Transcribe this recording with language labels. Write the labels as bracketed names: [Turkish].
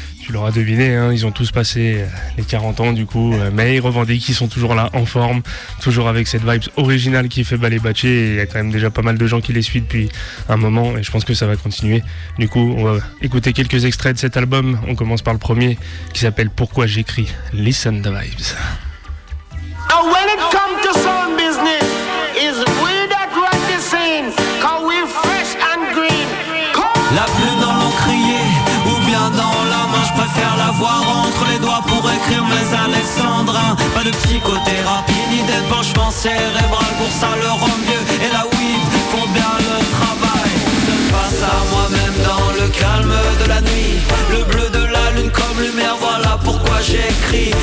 [French] Tu l'auras deviné, hein, ils ont tous passé les 40 ans du coup, mais ils revendiquent, ils sont toujours là en forme, toujours avec cette vibe originale qui fait Bhale, Bacce. Il y a quand même déjà pas mal de gens qui les suivent depuis un moment et je pense que ça va continuer. Du coup, on va écouter quelques extraits de cet album. On commence par le premier qui s'appelle Pourquoi j'écris. [English] Listen the vibes. And when it comes to sound business, it's we that run the scene, cause we fresh and green. [French] La plume dans l'encrier, ou bien dans la main, je préfère l'avoir entre les doigts pour écrire mes alexandrins. Pas de psychothérapie, ni d'épanchement cérébral, pour ça le rend mieux. Et la weed font bien le travail. Face à moi-même dans le calme de la nuit, le bleu de la lune comme lumière, voilà pourquoi j'écris.